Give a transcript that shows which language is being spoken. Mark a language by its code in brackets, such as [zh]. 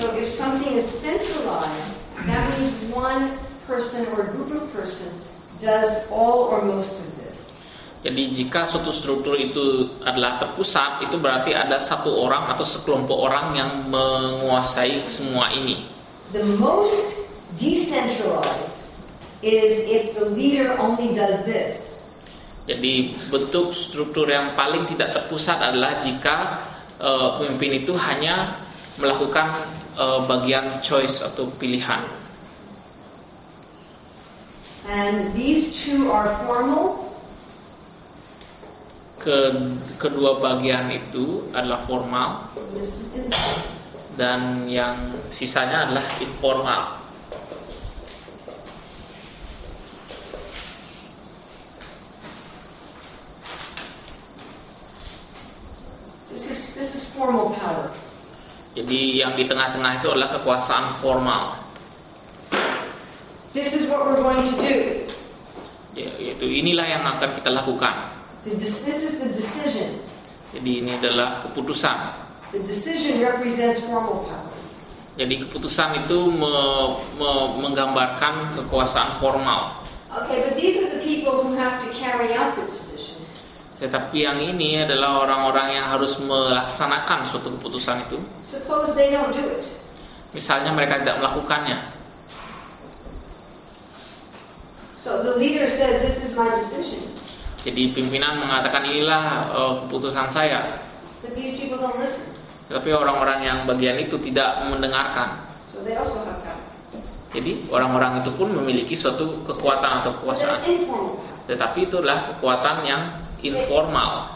[en] So if something is centralized, that means one person or group of person does all or most of this. [id] Jadi jika suatu struktur itu adalah terpusat, itu berarti ada satu orang atau sekelompok orang yang menguasai semua ini. [en] The most decentralized is if the leader only does this. [id] Jadi bentuk struktur yang paling tidak terpusat adalah jika pemimpin itu hanya melakukan bagian choice atau pilihan. [en] And these two are formal. [id] Kedua bagian itu adalah formal. Dan yang sisanya adalah informal. [en] This is formal power. [id] Jadi yang di tengah-tengah itu adalah kekuasaan formal. [en] This is what we're going to do. [id] Yaitu inilah yang akan kita lakukan. [en] This is the decision. [id] Jadi ini adalah keputusan. [en] The decision represents formal power. [id] Jadi keputusan itu menggambarkan kekuasaan formal. [en] Okay, but these are the people who have to carry out the decision. [id] Tetapi yang ini adalah orang-orang yang harus melaksanakan suatu keputusan itu. [en] Suppose they don't do it. [id] Misalnya mereka tidak melakukannya. [en] So the leader says this is my decision. [id] Jadi pimpinan mengatakan inilah keputusan saya. [en] But these people don't listen. [id] Tetapi orang-orang yang bagian itu tidak mendengarkan. [en] So they also have power. [id] Jadi orang-orang itu pun memiliki suatu kekuatan atau kekuasaan. Tetapi itulah kekuatan yang informal.